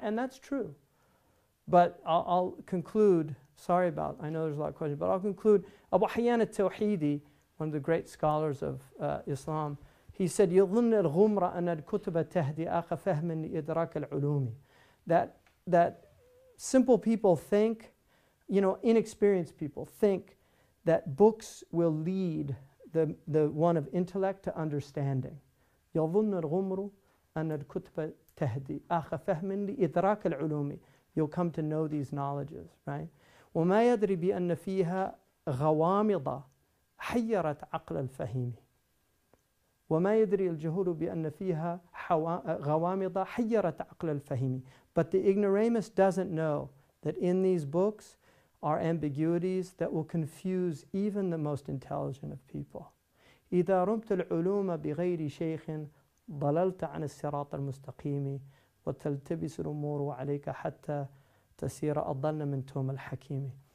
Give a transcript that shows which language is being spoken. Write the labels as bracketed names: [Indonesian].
[English] And that's true. But I'll conclude, sorry about, I know there's a lot of questions, but I'll conclude, Abu Hayyan al-Tawhidi, one of the great scholars of Islam, he said, [Arabic] يظن الغمر أن الكتب تهدي أخ فهم لإدراك العلوم. [English] That simple people think, you know, inexperienced people think that books will lead the one of intellect to understanding. [Arabic] يظن الغمر أن الكتب تهدي أخ فهم لإدراك العلوم. [English] You'll come to know these knowledges, right? [Arabic] وما يدري بأن فيها غوامضة حيرت عقل الفهيم وما يدري الجهول بأن فيها غوامض حيرت عقل الفهيم. [English] But the ignoramus doesn't know that in these books are ambiguities that will confuse even the most intelligent of people. [Arabic] إِذَا رُمْتَ الْعُلُومَ بِغَيْرِ شَيْخٍ ضَلَلْتَ عَنِ السِّرَاطَ الْمُسْتَقِيمِ وَتَلْتَبِسُ الْأُمُورُ عَلَيْكَ حَتَّى تَسِيرَ أَضَلَّ مِنْ تُومَ الْحَكِيمِ.